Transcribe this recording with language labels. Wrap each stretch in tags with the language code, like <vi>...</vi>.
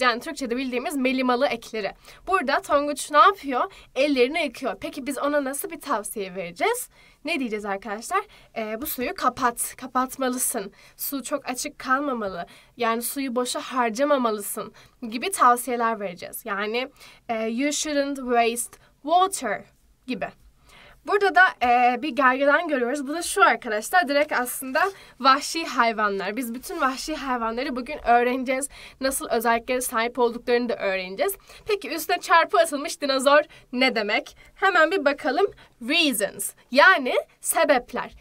<tr>Yani Türkçe'de bildiğimiz melimalı ekleri. Burada Tonguç ne yapıyor? Ellerini yıkıyor. Peki biz ona nasıl bir tavsiye vereceğiz? Ne diyeceğiz arkadaşlar? Bu suyu kapat. Kapatmalısın. Su çok açık kalmamalı. Yani suyu boşa harcamamalısın gibi tavsiyeler vereceğiz. Yani</tr> <en>you shouldn't waste water</en> <tr>gibi. Burada da bir gergedan görüyoruz. Bu da şu arkadaşlar. Direkt aslında vahşi hayvanlar. Biz bütün vahşi hayvanları bugün öğreneceğiz. Nasıl özelliklere sahip olduklarını da öğreneceğiz. Peki üstüne çarpı asılmış dinozor ne demek? Hemen bir bakalım. Reasons. Yani sebepler.</tr>